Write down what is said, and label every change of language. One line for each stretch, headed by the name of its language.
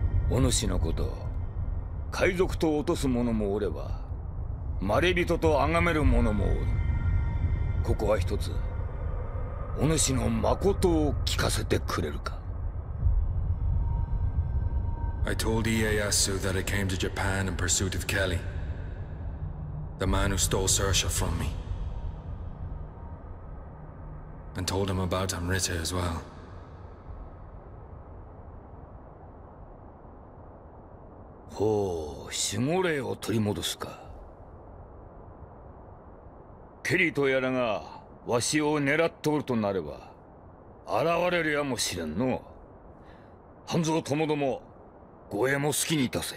Japanese: お主のこと、海賊と落とす者もおれば、まれびとと崇める者もおる。ここは一つ、お主の誠を聞かせてくれるか。
English: I told Ieyasu that I came to Japan in pursuit of Kelly, the man who stole Saoirse from me, and told him about Amrita as well.
Japanese: Oh, 守護霊を取り戻すか。ケリーとやらがわしを狙っておるとなれば、現れるやもしれんの。半蔵ともども。護衛も好きにいたせ。